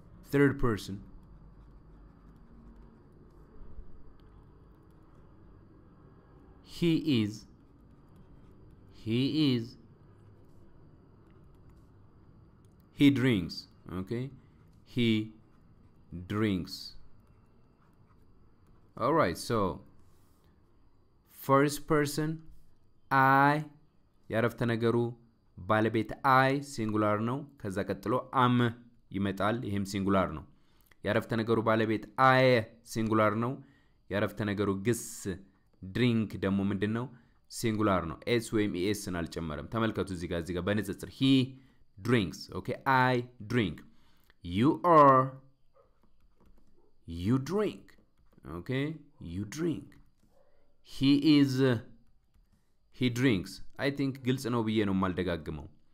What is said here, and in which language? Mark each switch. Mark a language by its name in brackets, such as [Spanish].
[English] Third person, he is, he drinks, okay, he drinks. All right, so first person, I, [Amharic] ያረፍተ ነገሩ ባለቤት አይ ሲንጉላር ነው. ከዛ ቀጥሎ አም ይመጣል, ይሄም ሲንጉላር ነው. ያረፍተ ነገሩ ባለቤት አይ ሲንጉላር ነው. ያረፍተ ነገሩ ግስ drink ደሞ ምንድነው? singular ነው. s ወይም es ን አልጨመረም. ተመልከቱ እዚህ ጋር በነጽጽር [English] he drinks, okay, I drink. You are, you drink, okay, you drink. He is, he drinks. I think [Amharic] ግልጽ ነው ብዬ ነው ማልደጋግመው.